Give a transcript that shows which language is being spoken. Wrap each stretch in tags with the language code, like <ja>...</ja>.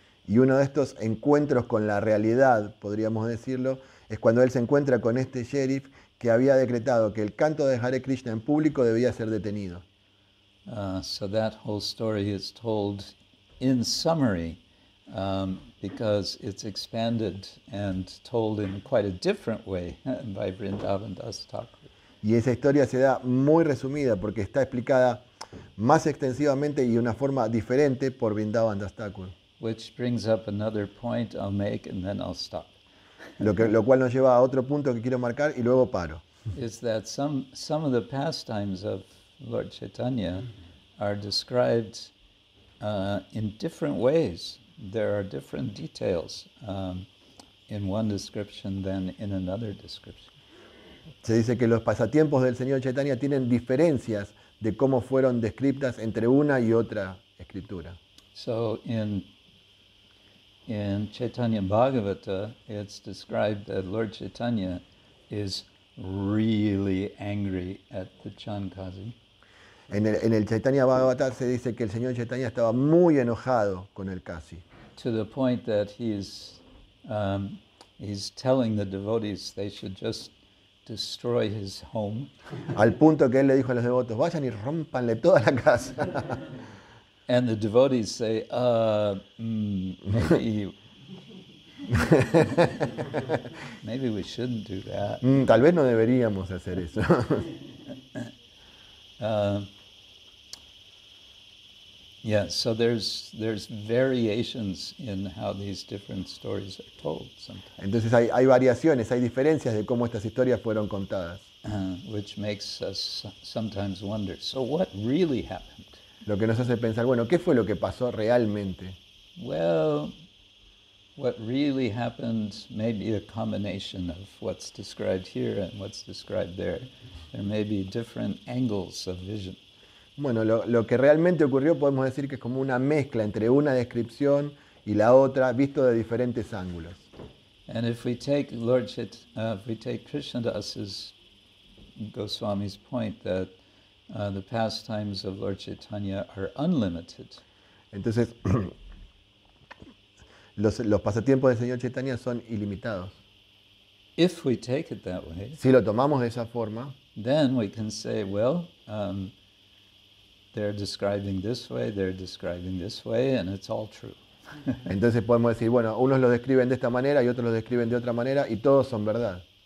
<es>Y uno de estos encuentros con la realidad, podríamos decirlo, es cuando él se encuentra con este sheriff que había decretado que el canto de Hare Krishna en público debía ser detenido.</es> <en>So that whole story is told in summary Because it's expanded and told in quite a different way by Vrindavan Das Thakur.</en> <es>Y esa historia se da muy resumida porque está explicada más extensivamente y de una forma diferente por Vrindavan Das Thakur.</es> <en>Which brings up another point I'll make and then I'll stop.</en> <es>Lo cual nos lleva a otro punto que quiero marcar y luego paro.</es> <en>Is that some of the pastimes of Lord Chaitanya are described in different ways. There are different details in one description than in another description.</en> <es>Se dice que los pasatiempos del señor Chaitanya tienen diferencias de cómo fueron descritas entre una y otra escritura.</es> <en>So in Chaitanya Bhagavata, it's described that Lord Chaitanya is really angry at the Chankasi.</en> <es>En el Chaitanya Bhagavata se dice que el señor Chaitanya estaba muy enojado con el Kasi.</es> <en>To the point that he's telling the devotees they should just destroy his home.</en> <es>Al punto que él le dijo a los devotos, vayan y rompanle toda la casa.</es> <en>And the devotees say, maybe we shouldn't do that.</en> <es>Tal vez no deberíamos hacer eso.</es> <en>Yeah, so there's variations in how these different stories are told sometimes.</en> <es>Entonces hay variaciones, hay diferencias de cómo estas historias fueron contadas.</es> <en>Which makes us sometimes wonder, so what really happened?</en> <es>Lo que nos hace pensar, bueno, ¿qué fue lo que pasó realmente?</es> <en>Well, what really happened may be a combination of what's described here and what's described there. There may be different angles of vision.</en> <es>Bueno, lo que realmente ocurrió podemos decir que es como una mezcla entre una descripción y la otra, visto de diferentes ángulos.</es> <en>And if we take Lord if we take Krishnadas's Goswami's point that the pastimes of Lord Chaitanya are unlimited.</en> <es>Entonces, los pasatiempos del señor Chaitanya son ilimitados.</es> <en>If we take it that way,</en> <es>si lo tomamos de esa forma,</es> <en>then we can say, well, they're describing this way, they're describing this way, and it's all true.</en> <es>Entonces podemos decir, bueno, unos lo describen de esta manera y otros lo describen de otra manera, y todos son verdad.</es>